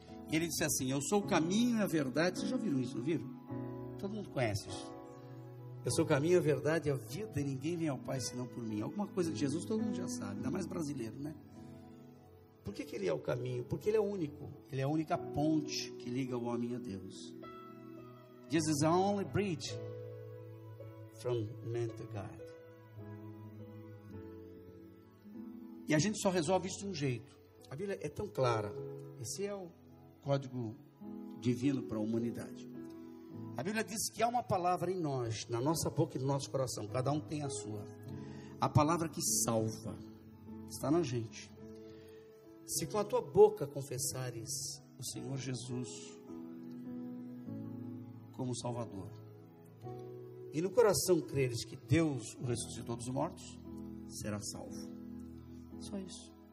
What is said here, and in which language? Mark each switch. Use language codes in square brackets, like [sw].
[pt] E ele disse assim, eu sou o caminho e a verdade. Vocês já ouviram isso, não viram? Todo mundo conhece isso. Eu sou o caminho, a verdade e a vida, e ninguém vem ao Pai senão por mim. Alguma coisa de Jesus todo mundo já sabe, ainda mais brasileiro, né? Por que que ele é o caminho? Porque ele é único. Ele é a única ponte que liga o homem a Deus. [en] Jesus is the only bridge from man to God. [pt] E a gente só resolve isso de um jeito. A Bíblia é tão clara. Esse é o código divino para a humanidade. A Bíblia diz que há uma palavra em nós, na nossa boca e no nosso coração. Cada um tem a sua. A palavra que salva está na gente. Se com a tua boca confessares o Senhor Jesus como Salvador e no coração creres que Deus o ressuscitou dos mortos, será salvo. Só isso.